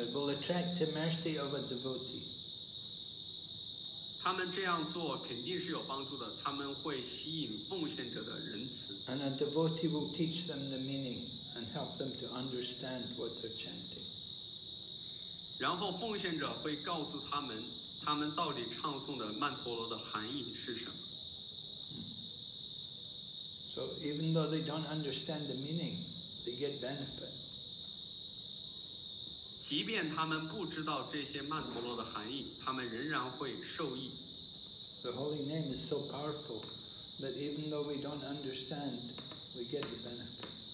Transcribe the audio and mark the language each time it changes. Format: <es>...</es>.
<en>It will attract the mercy of a devotee.</en> <zh>他们这样做肯定是有帮助的，他们会吸引奉献者的仁慈。</zh> <en>And a devotee will teach them the meaning and help them to understand what they're chanting.</en> <zh>然后奉献者会告诉他们，他们到底唱诵的曼陀罗的含义是什么。</zh> <en>So even though they don't understand the meaning, they get benefit.</en> <zh>即便他们不知道这些曼陀罗的含义，他们仍然会受益。</zh> <en>The holy name is so powerful that even though we don't understand, we get the benefit.</en>